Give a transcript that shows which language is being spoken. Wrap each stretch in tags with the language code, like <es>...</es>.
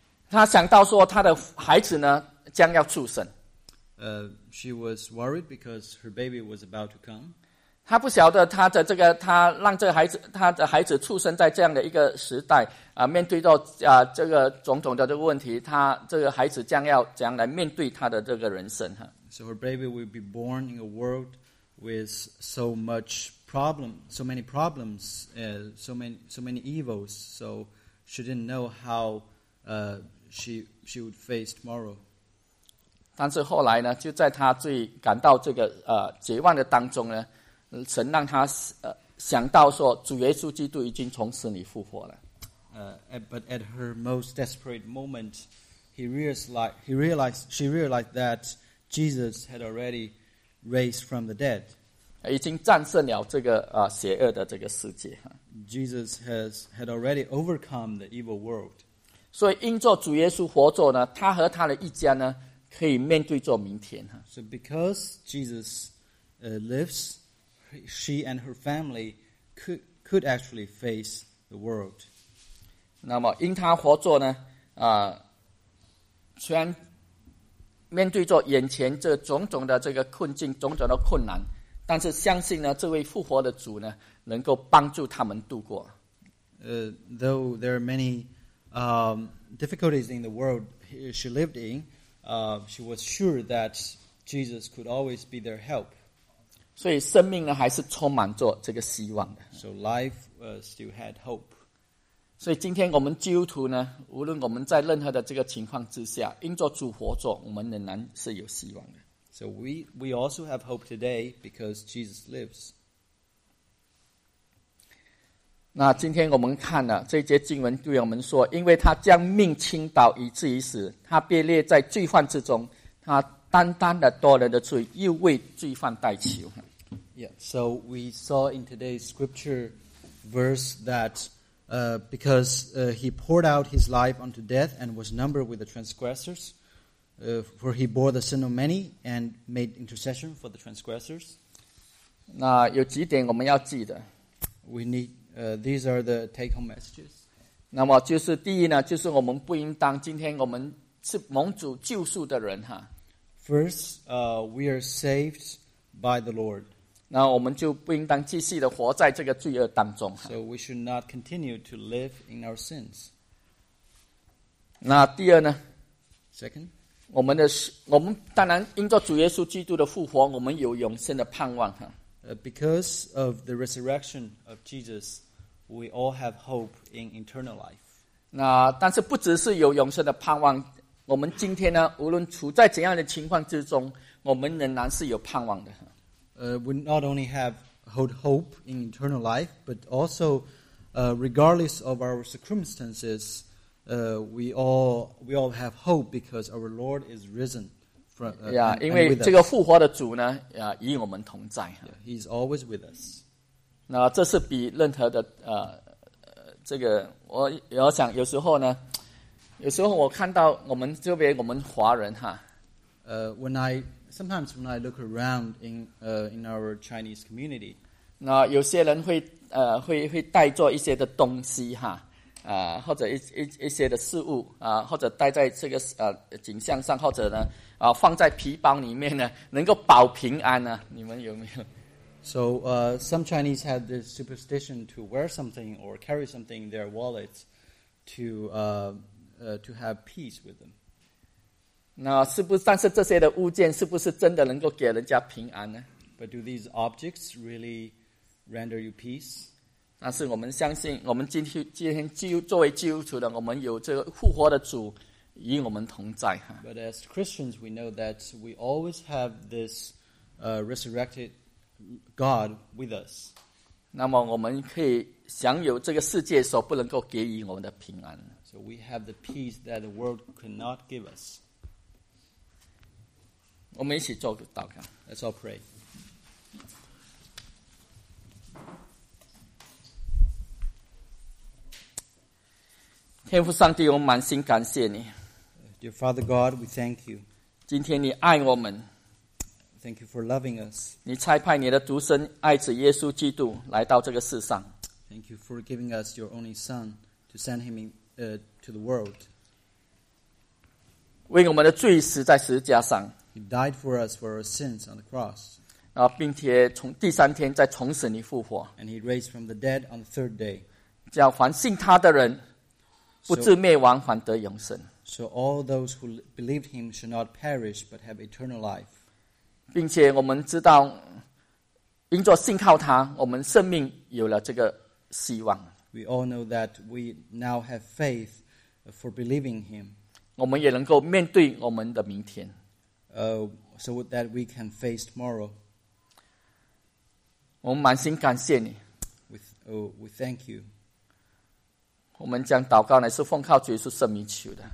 <zh>她想到说，她的孩子呢将要出生。</zh> <en>she was worried because her baby was about to come.</en> <zh>她不晓得她的这个，她让这个孩子，她的孩子出生在这样的一个时代，面对到这个种种的这个问题，她这个孩子将要怎样来面对她的这个人生哈。</zh> <en>So her baby will be born in a world with so much problem, so many problems, so many evils. So she didn't know how she would face tomorrow.</en> <zh>但是后来呢，就在她最感到这个绝望的当中呢。神让他想到说，主耶稣基督已经从死里复活了。</zh> <en>But at her most desperate moment, she realized that Jesus had already raised from the dead.</en> <zh>已经战胜了这个邪恶的这个世界。</zh> <en>Jesus had already overcome the evil world.</en> <zh>所以因着主耶稣活着呢，他和他的一家呢，可以面对着明天。</zh> <en>So because Jesus lives. She and her family could actually face the world.</en> <zh>那么因他活着呢，虽然面对着眼前这种种的这个困境、种种的困难，但是相信呢，这位复活的主呢，能够帮助他们度过。</zh> <en>Though there are many difficulties in the world she lived in, she was sure that Jesus could always be their help.</en> <zh>所以生命呢还是充满着这个希望的。</zh> <en>So life still had hope.</en> <zh>所以今天我们基督徒呢，无论我们在任何的这个情况之下，因着主活着，我们仍然是有希望的。</zh> <en>So we also have hope today because Jesus lives.</en> <zh>那今天我们看了这节经文，对我们说，因为他将命倾倒以至于死，他被列在罪犯之中，他。单单的多人的罪，又为罪犯代求。</zh> <en>Yeah, so we saw in today's scripture verse that because he poured out his life unto death and was numbered with the transgressors, for he bore the sin of many and made intercession for the transgressors.</en> <zh>那有几点我们要记得。</zh> <en>We need these are the take-home messages.</en> <zh>那么就是第一呢，就是我们不应当今天我们是蒙主救赎的人哈。</zh> <en>First, we are saved by the Lord.</en> <zh>那我们就不应当继续的活在这个罪恶当中。</zh> <en>So we should not continue to live in our sins.</en> <zh>那第二呢</zh> <en>？Second,</en> <zh>我们当然因着主耶稣基督的复活，我们有永生的盼望哈。</zh> <en>Because of the resurrection of Jesus, we all have hope in eternal life.</en> <zh>那但是不只是有永生的盼望。我们今天呢，无论处在怎样的情况之中，我们仍然是有盼望的。</zh> <en>We not only have hope in eternal life, but also, regardless of our circumstances, we all have hope because our Lord is risen from.</en> <zh>Yeah, 因为这个复活的主呢，与我们同在。</zh> <en>Yeah, he's always with us.</en> <zh>那这是比任何的这个我想有时候呢。有时候我看到我们这边我们华人哈。</zh> <en>When I look around in our Chinese community,</en> <zh>那有些人会带着一些的东西哈，或者一些的事物啊，或者带在这个景象上，或者呢放在皮包里面呢，能够保平安呢、啊？你们有没有</zh> <en>？So some Chinese have this superstition to wear something or carry something in their wallets to have peace with them.</en> <zh>那是不是但是这些的物件是不是真的能够给人家平安呢</zh> <en>？But do these objects really render you peace?</en> <zh>但是我们相信，我们今天作为基督徒的，我们有这个复活的主与我们同在。</zh> <en>But as Christians, we know that we always have this resurrected God with us.</en> <zh>那么我们可以享有这个世界所不能够给予我们的平安。</zh> <en>So we have the peace that the world cannot give us.</en> <zh>我们一起做个祷告。</zh> <en>Let's all pray.</en> <zh>天父上帝，我满心感谢你。</zh> <en>Dear Father God, we thank you.</en> <zh>今天你爱我们。</zh> <en>Thank you for loving us.</en> <zh>你差派你的独生爱子耶稣基督来到这个世上。</zh> <en>Thank you for giving us your only Son to send him to the world.</en> <zh>为我们的罪死在十字架上。</zh> <en>He died for us for our sins on the cross.</en> <zh>并且从第三天再从死里复活。</zh> <en>And he raised from the dead on the third day.</en> <zh>叫凡信他的人不至灭亡反得永生。</zh> <en>So all those who believe him should not perish but have eternal life.</en> <zh>并且我们知道因着信靠他我们生命有了这个希望。</zh> <en>We all know that we now have faith for believing him.</en> <zh>我们也能够面对我们的明天。</zh> <en>So that we can face tomorrow.</en> <zh>我们满心感谢你。</zh> <en>We thank you.</en> <zh>我们将祷告乃是奉靠主耶稣圣名求的。</zh>